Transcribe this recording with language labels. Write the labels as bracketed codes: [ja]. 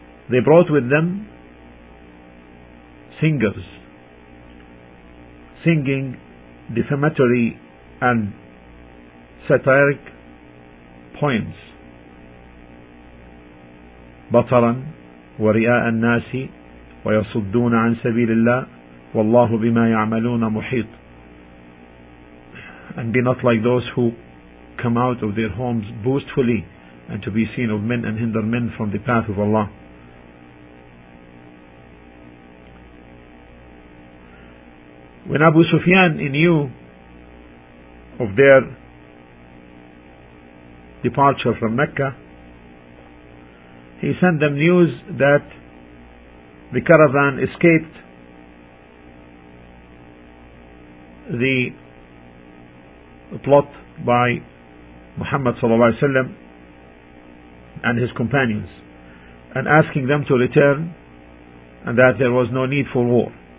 [en] They brought with them singers singing defamatory and satiric poems. [ar] بطرا ورياء الناس ويصدون عن سبيل الله والله بما يعملون محيط. [en] And be not like those who come out of their homes boastfully and to be seen of men and hinder men from the path of Allah. When Abu Sufyan knew of their departure from Mecca, he sent them news that the caravan escaped the plot by Muhammad sallallahu alaihi wasallam and his companions, and asking them to return, and that there was no need for war.